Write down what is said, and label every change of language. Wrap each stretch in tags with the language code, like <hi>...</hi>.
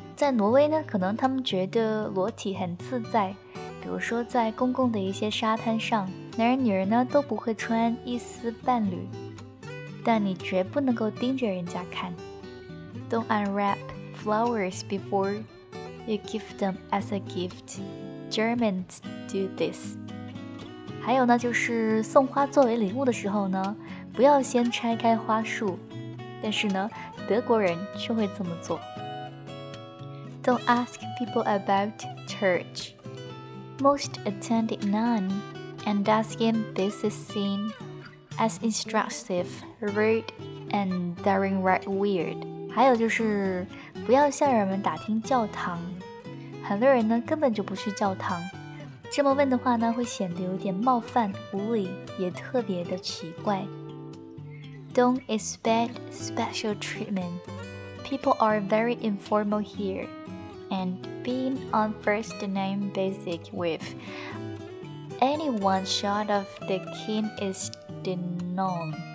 <zh>在挪威呢，可能他们觉得裸体很自在，比如说在公共的一些沙滩上，男人女人呢都不会穿一丝半缕，但你绝不能够盯着人家看。</zh> <en>Don't unwrap flowers before you give them as a gift. Germans do this.</en> <zh>还有呢，就是送花作为礼物的时候呢，不要先拆开花束，但是呢，德国人却会这么做。</zh> <en>Don't ask people about church. Most attend none, and asking this is seen as instructive, rude, and downright weird.</en> <zh>还有就是，不要向人们打听教堂。很多人呢，根本就不去教堂。这么问的话呢，会显得有点冒犯、无礼，也特别的奇怪。</zh> <en>Don't expect special treatment. People are very informal here, and being on first name basis with anyone short of the king is the norm.</en>